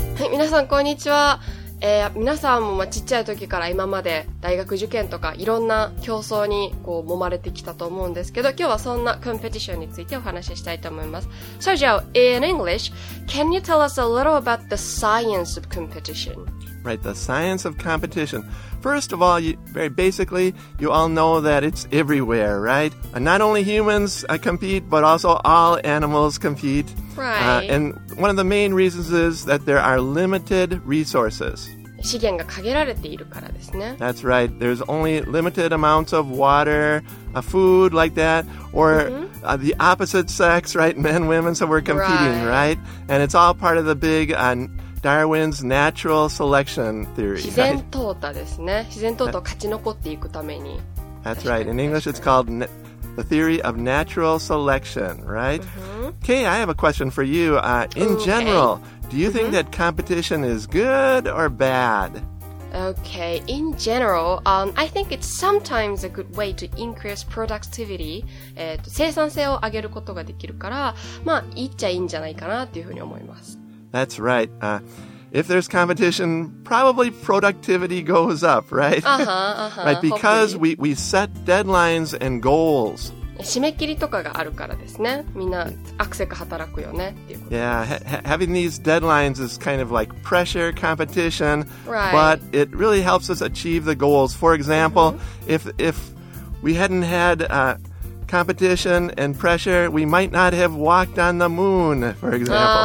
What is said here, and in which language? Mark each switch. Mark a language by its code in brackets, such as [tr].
[ja] 皆さんこんにちは、皆さんもちっちゃい時から今まで大学受験とかいろんな競争にこう揉まれてきたと思うんですけど今日はそんなコンペティションについてお話ししたいと思います。 [en] So Joe, in English, can you tell us a little about the science of competition? Right, the science of competition. First of all, very basically, you all know that it's everywhere, right? Not only humans compete, but also all animals compete. Right. And one of the main reasons is that there are limited resources. [ja] 資源が限られているからですね。 [en] That's right. There's only limited amounts of water, food like that, or the opposite sex, right? Men, women, so we're competing, right? And it's all part of the big Darwin's natural selection theory. [ja] 自然淘汰ですね。自然淘汰を勝ち残っていくために。 [en] That's right. In English, it's called the theory of natural selection, right? Kay, I have a question for you. In general, do you think that competition is good or bad? Okay, in general, I think it's sometimes a good way to increase productivity. [ja] 生産性を上げることができるから、まあ、いっちゃいいんじゃないかなっていうふうに思います。 [en] That's right. If there's competition, probably productivity goes up, right? Right, because we set deadlines and goals. [ja] 締め切りとかがあるからですね。みんなあくせく働くよねっていうこと。 [en] Yeah, having these deadlines is kind of like pressure competition. Right. But it really helps us achieve the goals. For example, if we hadn't had competition and pressure, we might not have walked on the moon, for example.